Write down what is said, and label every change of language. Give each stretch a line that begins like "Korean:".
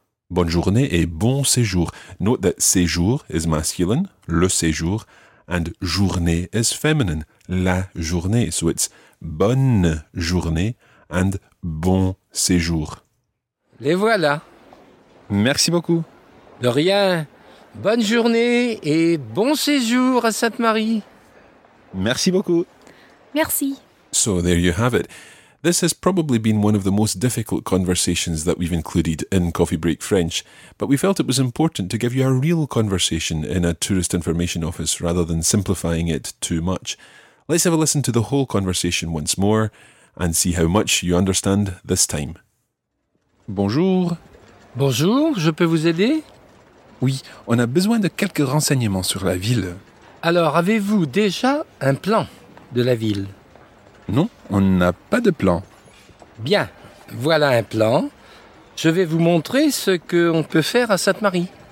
French: Bonne journée et bon séjour.
English: Note that séjour is masculine, le séjour, and journée is feminine, la journée. So it's bonne journée and bon séjour.
French: Les voilà. Merci beaucoup. De rien. Bonne journée et bon séjour à Sainte-Marie. Merci beaucoup. Merci.
English: So there you have it. This has probably been one of the most difficult conversations that we've included in Coffee Break French, but we felt it was important to give you a real conversation in a tourist information office rather than simplifying it too much. Let's have a listen to the whole conversation once more and see how much you understand this time.
French: Bonjour. Bonjour, je peux vous aider? Oui, on a besoin de quelques renseignements sur la ville. Alors, avez-vous déjà un plan de la ville? Non, on n'a pas de plan. Bien, voilà un plan. Je vais vous montrer ce qu'on peut faire à Sainte-Marie.